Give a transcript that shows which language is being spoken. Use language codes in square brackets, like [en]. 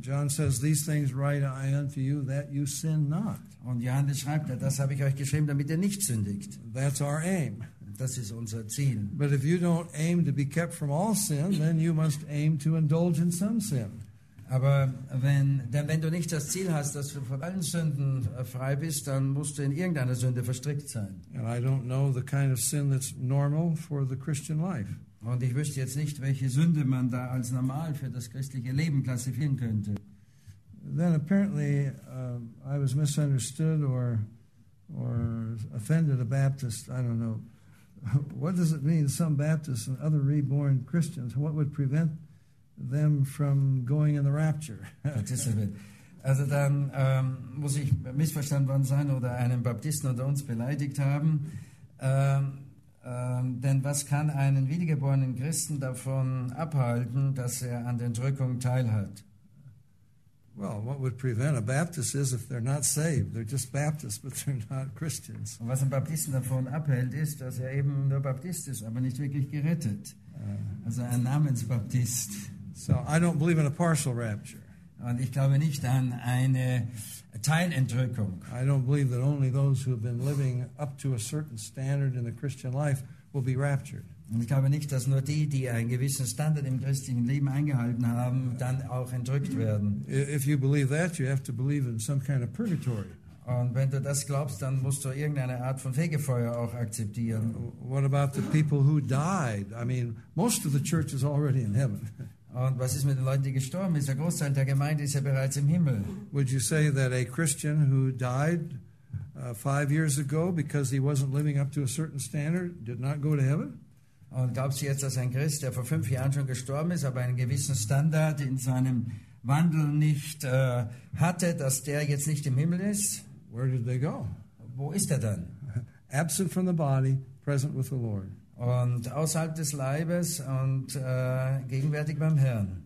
[en] John says, these things write I unto you, that you sin not. [de] Und Johannes schreibt, das habe ich euch geschrieben, damit ihr nicht sündigt. [en] That's our aim. [de] Das ist unser Ziel. [en] But if you don't aim to be kept from all sin, then you must aim to indulge in some sin. [de] Aber wenn du nicht das Ziel hast, dass du von allen Sünden frei bist, dann musst du in irgendeiner Sünde verstrickt sein. [en] And I don't know the kind of sin that's normal for the Christian life. [de] Und ich wüsste jetzt nicht, welche Sünde man da als normal für das christliche Leben klassifizieren könnte. [en] Then apparently I was misunderstood or offended a Baptist. I don't know. What does it mean, some Baptists and other reborn Christians? What would prevent them from going in the rapture? [de] Also dann muss ich missverstanden worden sein oder einen Baptisten unter uns beleidigt haben. Denn was kann einen wiedergeborenen Christen davon abhalten, dass er an der Entrückung teilhat? [en] Well, what would prevent a Baptist is if they're not saved. They're just Baptists, but they're not Christians. [de] Und was ein Baptisten davon abhält, ist, dass eben nur Baptist ist, aber nicht wirklich gerettet. Also ein Namensbaptist. [en] So I don't believe in a partial rapture. [de] Und ich glaube nicht an eine Teilentrückung. [en] I don't believe that only those who have been living up to a certain standard in the Christian life will be raptured. [de] Und ich glaube nicht, dass nur die, die einen gewissen Standard im christlichen Leben eingehalten haben, dann auch entrückt werden. [en] If you believe that, you have to believe in some kind of purgatory. [de] Und wenn du das glaubst, dann musst du irgendeine Art von Fegefeuer auch akzeptieren. [en] What about the people who died? I mean, most of the church is already in heaven. [de] Und was ist mit den Leuten, die gestorben sind? Der Großteil der Gemeinde ist ja bereits im Himmel. [en] Would you say that a Christian who died 5 years ago because he wasn't living up to a certain standard did not go to heaven? [de] Und glaubst du jetzt, dass ein Christ, der vor 5 Jahren schon gestorben ist, aber einen gewissen Standard in seinem Wandel nicht hatte, dass der jetzt nicht im Himmel ist? [en] Where did they go? [de] Wo ist er dann? [en] Absent from the body, present with the Lord. [de] Und außerhalb des Leibes und gegenwärtig beim Herrn.